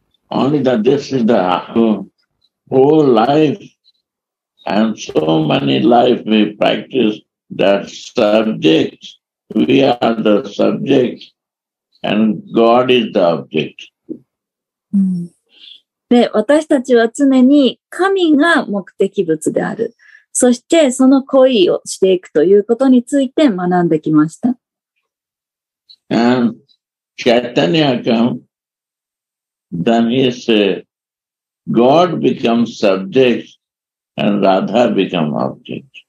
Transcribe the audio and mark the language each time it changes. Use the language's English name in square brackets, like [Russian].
[English] Only that this is the whole life and so many life we practice that subject. We are the subject and God is the object. [Japanese] で、私たちは常に神が目的物である。そしてその恋をしていくということについて学んできました。 [English] And Chaitanya comes. Then he said, God becomes subject and Radha becomes object.